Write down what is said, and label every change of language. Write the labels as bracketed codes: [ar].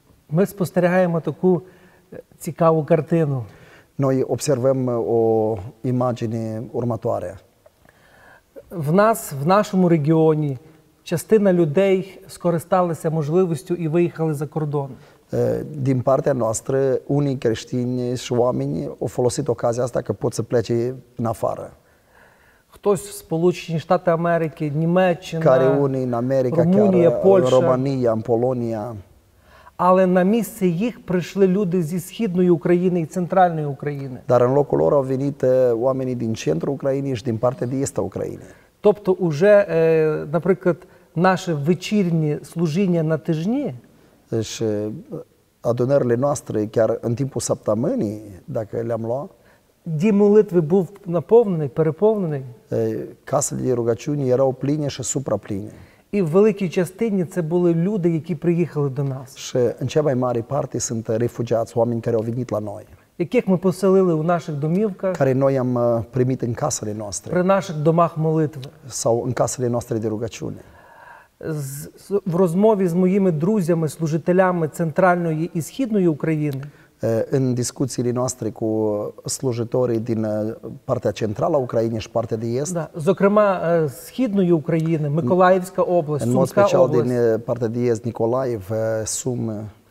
[uk] Ми спостерігаємо таку цікаву картину. [ro] Noi observăm o imagine următoare. [uk] В нас, в нашому регіоні, частина людей скористалися можливістю і виїхали за кордон. [ro] Din partea noastră, unii creștini și oameni au folosit ocazia asta că pot să plece în afară. [uk] Хтось в Сполучені Штати Америки, Німеччина, Румунія, Польща, [ro] Романія, Полонія. [uk] Але на місце їх прийшли люди зі Східної України і Центральної України. [ro] Dar în locul lor au venit oamenii din centrul Ucrainei și din partea de est a Ucrainei. [uk] Тобто уже, наприклад, наше вечірнє служіння на тижні, [ro] deci, adunările noastre chiar în timpul săptămânii, dacă le-am luat, de molitve [uk] був наповнений, переповнений. [ro] Casele de rugăciuni erau pline și supra-pline. [uk] І в великій частині це були люди, які приїхали до нас. [ro] Și în cea mai mare parte sunt refugiați, oameni care au venit la noi. [uk] Яких ми поселили у наших домівках. [ro] Care noi am primit în casele noastre. [uk] При наших домах молитви. [ro] Sau în casele noastre de rugăciune. [uk] В розмові з моїми друзями, служителями Центральної і Східної України. [ro] În discuțiile noastre cu slujitorii din partea centrală a Ucrainei și partea de est. [uk] Da, зокрема, Східної України, Миколаївська область, Сумська область. [ro] În mod special din partea de est, Николаїв, Сум.